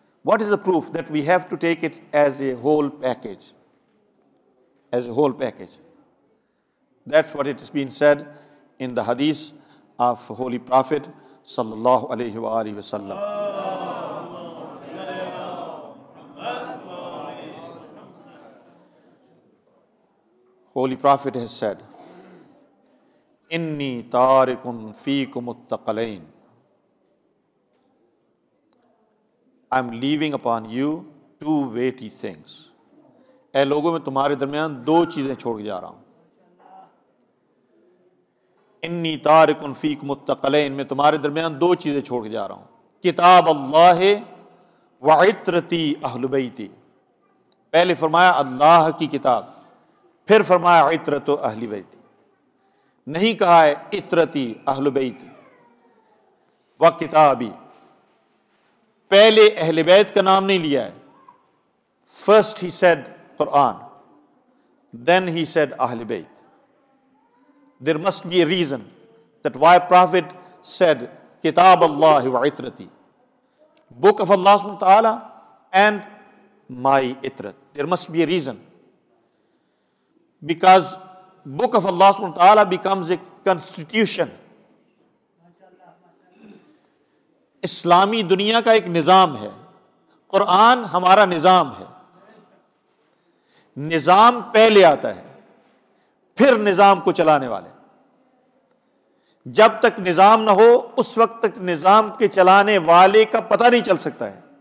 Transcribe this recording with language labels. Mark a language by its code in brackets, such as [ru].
[en] What is the proof that we have to take it as a whole package, as a whole package. That's what it has been said in the hadith of Holy Prophet sallallahu alaihi wa alihi wasallam. Holy Prophet has said, [ar] inni tarikun feekum uttaqalain, [en] I'm leaving upon you two weighty things. [ur] اے لوگوں میں تمہارے درمیان دو چیزیں چھوڑ کے جا رہا ہوں. [ar] انی تارک فیکم متقلین, [ur] میں تمہارے درمیان دو چیزیں چھوڑ کے جا رہا ہوں. [ar] کتاب اللہ و عطرتی اہل بیتی. [ur] پہلے فرمایا اللہ کی کتاب, پھر فرمایا عطرت اہل بیتی. نہیں کہا ہے [ar] عطرتی اہل بیتی و کتابی. [ur] پہلے اہل بیت کا نام نہیں لیا ہے. [en] first ہی said Quran, then he said [ur] اہل بیت. [en] There must be a reason that why Prophet said [ar] کتاب اللہ و عطرتی, [en] book of اللہ سبحانہ وتعالی and my عطرت. There must be a reason, because book of Allah subhanahu wa ta'ala becomes a constitution. [ur] اسلامی دنیا کا ایک نظام ہے, قرآن ہمارا نظام ہے. نظام پہلے آتا ہے پھر نظام کو چلانے والے. جب تک نظام نہ ہو اس وقت تک نظام کے چلانے والے کا پتہ نہیں چل سکتا ہے.